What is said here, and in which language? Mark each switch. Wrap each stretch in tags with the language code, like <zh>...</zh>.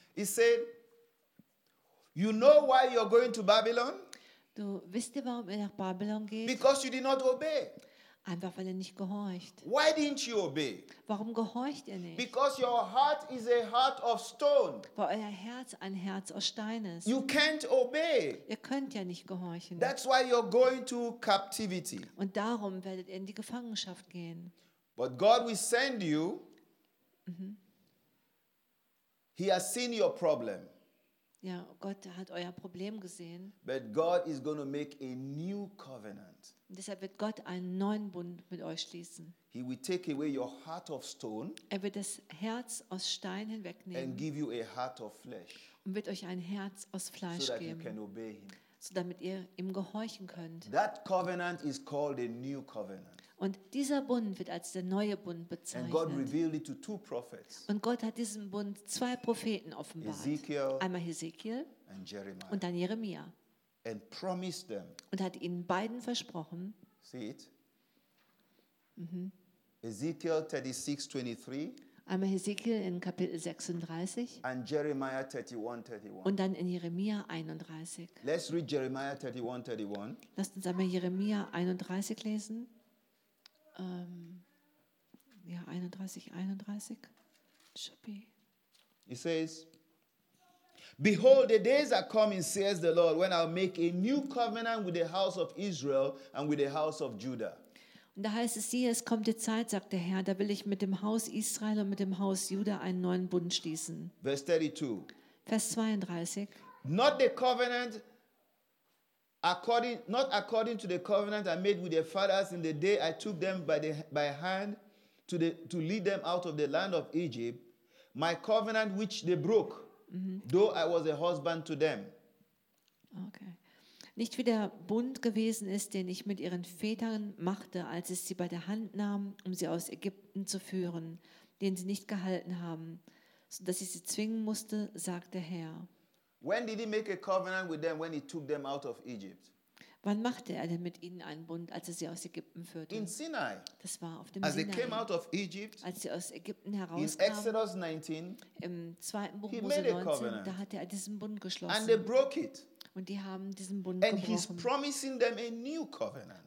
<en>He said, "You know why you're going to Babylon?</en> <de>Du wisst ihr, warum ihr nach Babylon geht?</de> <en>Because you did not obey.</en> <de>Einfach weil ihr nicht gehorcht.</de> <en>Why didn't you obey?</en> <de>Warum gehorcht ihr nicht?</de> <en>Because your heart is a heart of stone.</en> <de>Weil euer Herz ein Herz aus Stein ist.</de> <en>You can't obey.</en> <de>Ihr könnt ja nicht gehorchen.</de> <en>That's why you're going to captivity.</en> <de>Und darum werdet ihr in die Gefangenschaft gehen.</de> <en>But God will send you. Mm-hmm. He has seen your problem.</en> <de>Ja, Gott hat euer Problem gesehen.</de> <en>But God is going to make a new covenant.</en> <de>Und deshalb wird Gott einen neuen Bund mit euch schließen.</de> <en>He will take away your heart of stone.</en> <de>Er wird das Herz aus Stein hinwegnehmen.</de> <en>And give you a heart of flesh.</en> <de>Und wird euch ein Herz aus Fleisch</de> <en>so that</en> <de>geben.</de> <en>You can obey him.</en> <de>So damit ihr ihm gehorchen könnt.</de> <en>That covenant is called a new covenant.</en> <de>Und dieser Bund wird als der neue Bund bezeichnet.</de> <en>And God revealed it to two prophets.</en> <de>Und Gott hat diesen Bund zwei Propheten offenbart.</de> <en>Ezekiel,</en> <de>einmal Hesekiel</de> <en>and Jeremiah.</en> <de>Und dann Jeremia.</de> <en>And promised them.</en> <de>Und hat ihnen beiden versprochen.</de> <en>See it? Mm-hmm. Ezekiel 36:23.</en> <de>Einmal Hesekiel in Kapitel 36.</de> <en>And Jeremiah 31:31.</en> <de>Und dann in Jeremia 31.</de> <en>Let's read Jeremiah 31:31.</en> <de>Lasst uns einmal Jeremia 31 lesen. Ja, 31.</de> <en>He says, "Behold, the days are coming, says the Lord, when I'll make a new covenant with the house of Israel and with the house of Judah."</en> <de>Und da heißt es, siehe, es kommt die Zeit, sagt der Herr, da will ich mit dem Haus Israel und mit dem Haus Juda einen neuen Bund schließen.</de> <en>Verse 32.</en> <de>Vers 32.</de> <en>Not the covenant. Not according to the covenant I made with their fathers in the day I took them by hand to lead them out of the land of Egypt, my covenant which they broke, mm-hmm. though I was a husband to them. Okay.</en> <de>Nicht wie der Bund gewesen ist, den ich mit ihren Vätern machte, als ich sie bei der Hand nahm, um sie aus Ägypten zu führen, den sie nicht gehalten haben, so dass ich sie zwingen musste, sagt der Herr.</de> <en>When did he make a covenant with them when he took them out of Egypt?</en> <de>Wann machte er denn mit ihnen einen Bund, als er sie aus Ägypten führte?</de> <en>In Sinai.</en> <de>Das war auf dem</de> <en>As</en> <de>Sinai.</de> <en>They came out of Egypt,</en> <de>als sie aus Ägypten herauskamen.</de> <en>In Exodus 19.</en> <de>Im zweiten Buch Mose 19, da hat er diesen Bund geschlossen.</de> <en>And they broke it.</en> <de>Und die haben diesen Bund</de> <en>and</en> <de>gebrochen.</de> <en>He's promising them a new covenant.</en>